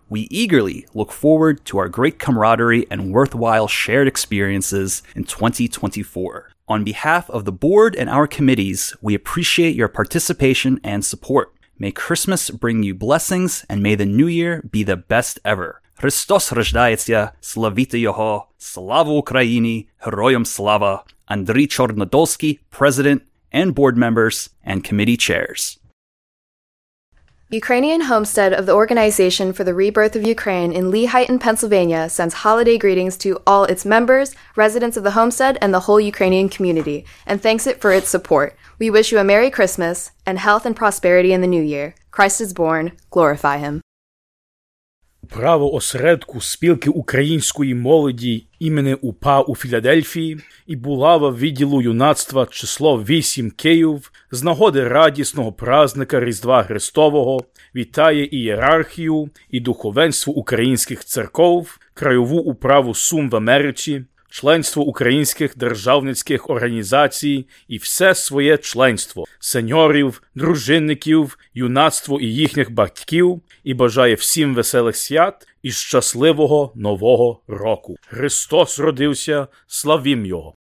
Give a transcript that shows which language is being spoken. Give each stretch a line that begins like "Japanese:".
English: We eagerly look forward to our great camaraderie and worthwhile shared experiences in 2024. On behalf of the board and our committees, we appreciate your participation and support. May Christmas bring you blessings, and may the new year be the best ever.
Ukrainian: Христос рождається, славіте Його, слава Україні, героям слава!
English: Андрій Чорнодольський, President and Board Members and Committee Chairs. Ukrainian Homestead of the Organization for the Rebirth of Ukraine in Lehigh, in Pennsylvania, sends holiday greetings to all its members, residents of the homestead, and the whole Ukrainian community, and thanks it for its support. We wish you a Merry Christmas and health and prosperity in the new year. Christ is born. Glorify Him.
Ukrainian: Право осередку спілки української молоді імені УПА у Філадельфії і булава відділу юнацтва число 8 Київ з нагоди радісного праздника Різдва Христового вітає ієрархію і духовенство українських церков, Крайову управу Сум в Америці, членство українських державницьких організацій і все своє членство, сеньорів, дружинників, юнацтво і їхніх батьків, і бажає всім веселих свят і щасливого Нового року. Христос родився, славім Його!